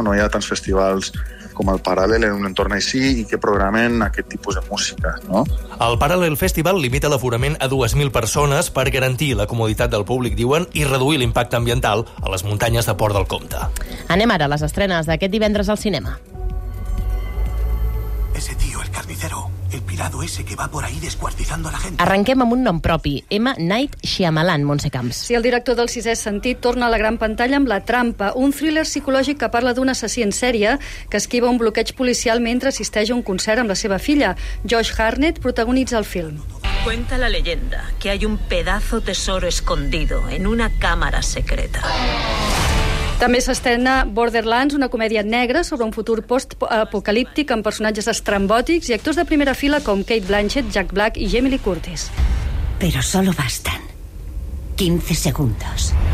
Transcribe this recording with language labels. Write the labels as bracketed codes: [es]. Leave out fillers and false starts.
[ca] No hi ha tants festivals com el Paral·lel en un entorn així i que programen aquest tipus de música, no? El Paral·lel Festival limita l'aforament a 2.000 persones per garantir la comoditat del públic, diuen, i reduir l'impacte ambiental a les muntanyes de Port del Comte. Anem ara a les estrenes d'aquest divendres al cinema. [es] Ese tío, el carnicero, el pirado ese que va por ahí descuartizando a la gente. [ca] Arrenquem amb un nom propi, M. Night Shyamalan, Montse Camps. Sí, el director del sisè sentit torna a la gran pantalla amb La Trampa, un thriller psicològic que parla d'un assassí en sèrie que esquiva un bloqueig policial mentre assisteix a un concert amb la seva filla. Josh Hartnett protagonitza el film. [es] Cuenta la leyenda que hay un pedazo tesoro escondido en una cámara secreta. [ca] També s'estrena Borderlands, una comèdia negra sobre un futur post-apocalíptic amb personatges estrambòtics i actors de primera fila com Cate Blanchett, Jack Black i Jamie Lee Curtis. [es] Pero solo bastan 15 segundos.